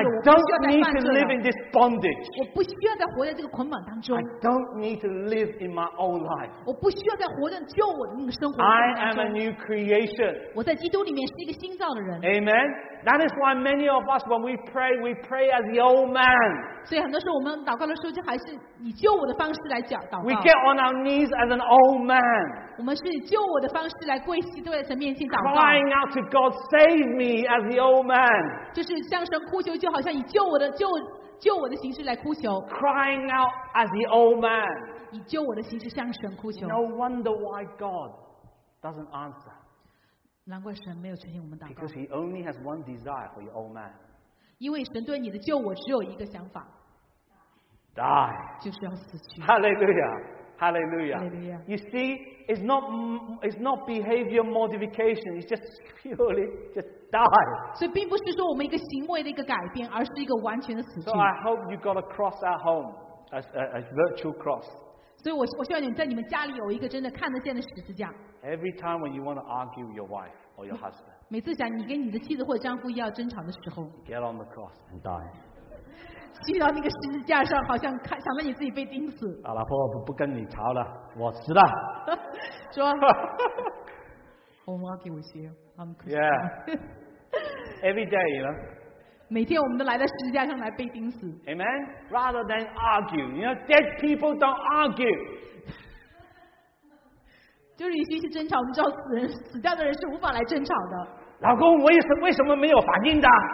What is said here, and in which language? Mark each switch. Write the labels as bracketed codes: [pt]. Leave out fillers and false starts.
[en] I don't need to live in this bondage. [zh] 我不需要再活在这个捆绑当中。 [en] I don't need to live in my own life. [zh] 我不需要再活在旧我的那个生活。 [en] I am a new creation. [zh] 我在基督里面是一个新造的人。 [en] Amen. That is why many of us, when we pray as the old man. [zh] 所以很多时候我们祷告的时候，就还是以旧我的方式来祷告。 [en] We get on our knees as an old man. [zh] 我们是救我的方式来跪膝，对神面前祷告。 [en] Crying out to God, save me as the old man. [zh] 就是向神哭求，就好像以救我的形式来哭求。 [en] Crying out as the old man. [zh] 以救我的形式向神哭求。 [en] No wonder why God doesn't answer. [zh] 难怪神没有垂听我们祷告。 [en] Because He only has one desire for your old man. [zh] 因为神对你的救我只有一个想法。 [en] Die. [zh] 就是要死去。 [en] Hallelujah. Hallelujah. Hallelujah. You see, it's not behavior modification. It's just purely just die. [zh] 所以并不是说我们一个行为的一个改变，而是一个完全的死去。 [en] So I hope you got a cross at home, a virtual cross. [zh] 所以我希望你在你们家里有一个真的看得见的十字架。 [en] Every time when you want to argue with your wife or your husband, [zh] 每次想你跟你的妻子或丈夫要争吵的时候 [en] ，get on the cross and die. [zh] 去到那个十字架上，好像看想到你自己被钉死。啊，老婆，我不跟你吵了，我死了。说，我们要给我写 ， [en] I'm Christian。 Yeah. Every day, you know. [zh] 每天我们都来到十字架上来被钉死。 [en] Amen. Rather than argue, you know, dead people don't argue. [zh] 就是与其去争吵，我们知道死掉的人是无法来争吵的。老公，为什么没有反应的？